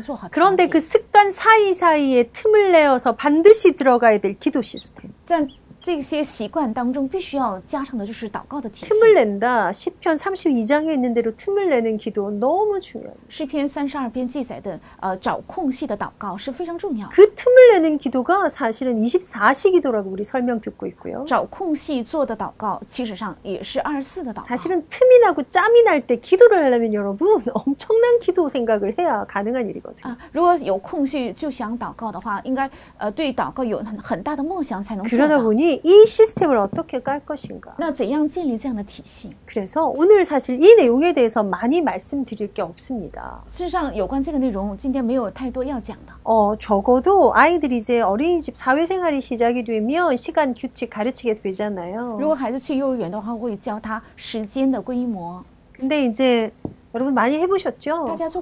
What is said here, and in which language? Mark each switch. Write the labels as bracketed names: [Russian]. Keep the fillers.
[Korean] 그런데 그 습관 사이사이에 틈을 내어서 반드시 들어가야 될 기도 시스템. [Chinese] 这些习惯当中必须要加上的就是祷告的提示。 [Korean] 틈을낸 다， 편 장 에있는대로틈을내는기도너무중요 [Chinese] 诗篇三十二篇记载的，呃，找空隙的祷告是非常重要 [Korean] 그틈을내는기도가사실은이십사기도라고우리설명듣고있고 요。 [Chinese] 找空隙做的祷告，其实上也是二十四的祷告。 [Korean] 사실은틈이나고짬이날때기도를하려면여러분엄청난기도생각을해야가능한일이거든 [Chinese] 啊，如果有空隙就想祷告的话，应该呃对祷告有很很大的梦想才能做到。 [Korean] 이 시스템을 어떻게 깔 것인가? [Chinese] 那怎样建立这样的体系? [Korean] 그래서 오늘 사실 이 내용에 대해서 많이 말씀드릴 게 없습니다. [Chinese] 事实上,有关这个内容,今天没有太多要讲的. [Korean] 어, 적어도 아이들이 이제 어린이집 사회생활이 시작이 되면 시간 규칙 가르치게 되잖아요. [Chinese] 如果孩子去幼儿园的话,会教他时间的规模. [Korean] 근데 이제 여러분 많이 해보셨죠?